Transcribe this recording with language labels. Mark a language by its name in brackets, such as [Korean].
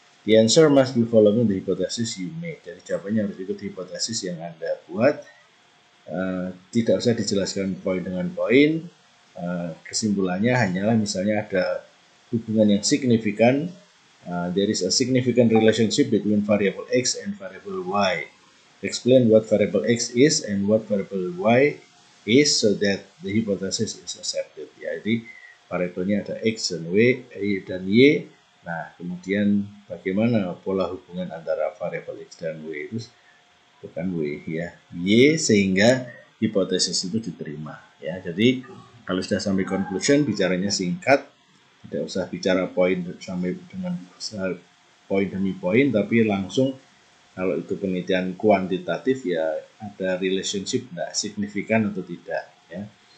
[English] The answer must be following the hypothesis you made. [Indonesian] Jadi jawabannya harus ikut hipotesis yang Anda buat. Tidak usah dijelaskan poin dengan poin. Kesimpulannya hanyalah misalnya ada hubungan yang signifikan. [English] There is a significant relationship between variable X and variable Y. Explain what variable X is and what variable Y is so that the hypothesis is accepted. [Indonesian] Ya, jadi variabelnya ada X dan Y, A dan Y. Nah, kemudian bagaimana pola hubungan antara variabel X dan Y itu, bukan W ya, Y, sehingga hipotesis itu diterima. Ya, jadi kalau sudah sampai conclusion, bicaranya singkat, tidak usah bicara poin sampai dengan poin demi poin, tapi langsung kalau itu penelitian kuantitatif ya, ada relationship tidak signifikan atau tidak ya.